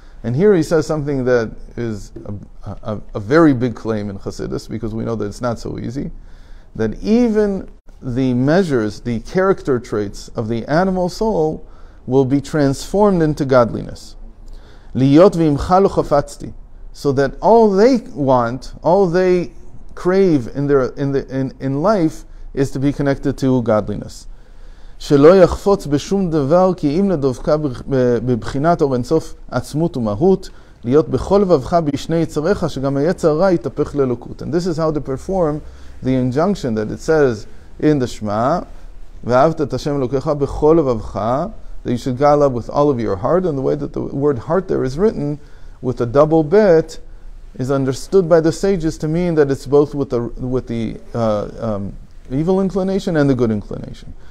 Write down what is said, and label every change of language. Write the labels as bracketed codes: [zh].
[en] And here he says something that is a very big claim in Chassidus, because we know that it's not so easy, that even the measures, the character traits of the animal soul will be transformed into godliness. [he] Liyot v'imcha lo chafatzti. [en] So that all they want, all they crave in life is to be connected to godliness. [he] שלא יחפוץ בשום דבר כי אם לדווקא בבחינת אור אינסוף עצמות ומהות, להיות בכל לבבך בשני יצריך שגם היצר רע יתהפך ללוקות. [en] And this is how to perform the injunction that it says in the Shema, [he] ואהבת את השם אלוקיך בכל לבבך, [en] that you should God love with all of your heart, and the way that the word heart there is written with a double bet is understood by the sages to mean that it's both with the evil inclination and the good inclination.